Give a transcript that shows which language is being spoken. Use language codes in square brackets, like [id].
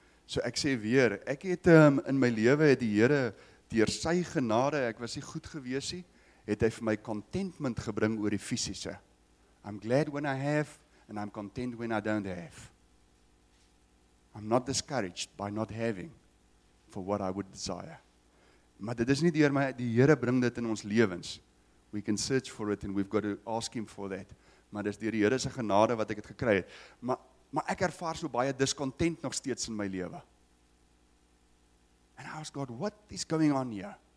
[af] So ek sê weer, ek het in my lewe het die Here deur sy genade, ek was nie goed gewees nie, het hy vir my contentment gebring oor die fisiese. [en] I'm glad when I have and I'm content when I don't have. I'm not discouraged by not having for what I would desire. [af] Maar dit is nie deur my, die Here bring dit in ons lewens. [en] We can search for it and we've got to ask him for that. [af] Maar dis deur die Here se genade wat ek het gekry het. Maar ek ervaar so baie discontent nog steeds in my lewe. [en] And I ask God, what is going on here?